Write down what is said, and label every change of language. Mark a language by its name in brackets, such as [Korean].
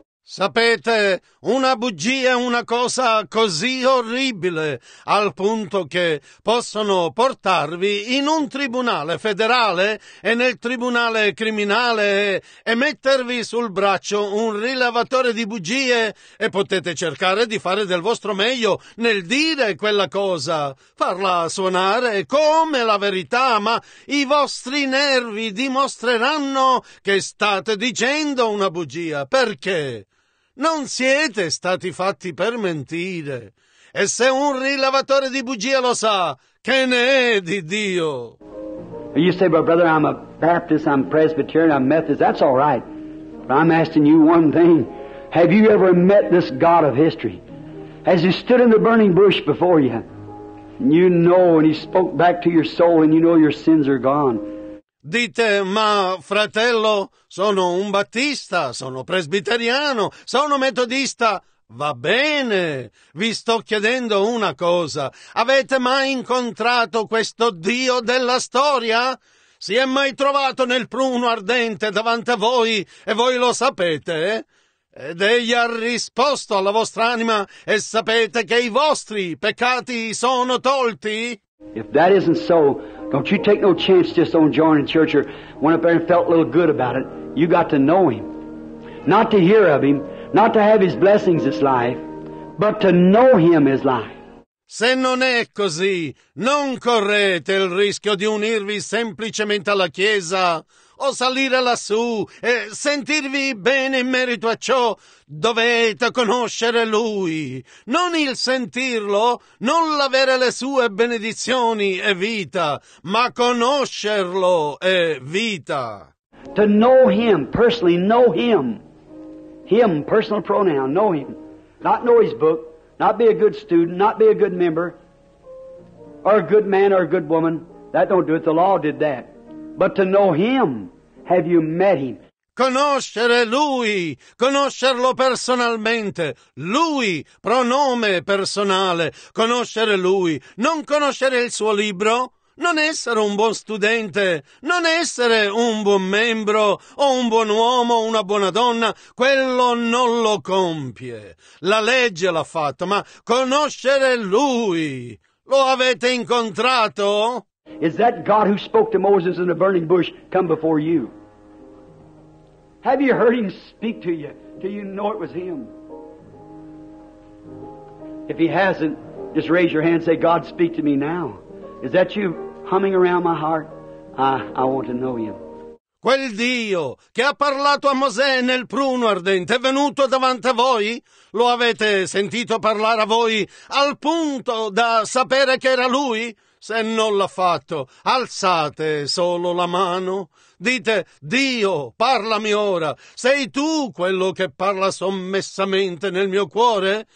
[Italian] Sapete, una bugia è una cosa così orribile al punto che possono portarvi in un tribunale federale e nel tribunale criminale e mettervi sul braccio un rilevatore di bugie e potete cercare di fare del vostro meglio nel dire quella cosa, farla suonare come la verità, ma i vostri nervi dimostreranno che state dicendo una bugia. Perché? Non siete stati fatti per mentire. E se un rilevatore di bugie lo sa, che ne è di Dio? [English] You say, but brother, I'm a Baptist, I'm Presbyterian, I'm Methodist. That's all right. But I'm asking you one thing. Have you ever met this God of history? Has he stood in the burning bush before you? And you know, and he spoke back to your soul, and you know your sins are gone. [Italian] Dite, ma fratello, sono un battista, sono presbiteriano, sono metodista. Va bene, vi sto chiedendo una cosa. Avete mai incontrato questo Dio della storia? Si è mai trovato nel pruno ardente davanti a voi e voi lo sapete? Ed egli ha risposto alla vostra anima e sapete che i vostri peccati sono tolti? [English] If that isn't so, don't you take no chance just on joining church or went up there and felt a little good about it. You got to know him. Not to hear of him, not to have his blessings is life, but to know him is life. Se non è così, non correte il rischio di unirvi semplicemente alla Chiesa o salire lassù e sentirvi bene in merito a ciò. Dovete conoscere Lui, non il sentirlo, non l'avere le sue benedizioni e vita, ma conoscerlo e vita. To know Him, personally, know Him. Him, personal pronoun, know Him. Not know His book. Not be a good student, not be a good member, or a good man or a good woman. That don't do it. The law did that. But to know Him, have you met Him? [Italian] Conoscere Lui, conoscerlo personalmente. Lui, pronome personale. Conoscere Lui, non conoscere il suo libro. Non essere un buon studente, non essere un buon membro, o un buon uomo, o una buona donna, quello non lo compie. La legge l'ha fatto, ma conoscere Lui, lo avete incontrato? [English] Is that God who spoke to Moses in the burning bush come before you? Have you heard Him speak to you? Do you know it was Him? If He hasn't, just raise your hand and say, God, speak to me now. Is that you? Humming around my heart, I want to know Him. [Italian] Quel Dio che ha parlato a Mosè nel pruno ardente è venuto davanti a voi? Lo avete sentito parlare a voi al punto da sapere che era Lui? Se non l'ha fatto, alzate solo la mano. Dite, Dio, parlami ora. Sei Tu quello che parla sommessamente nel mio cuore?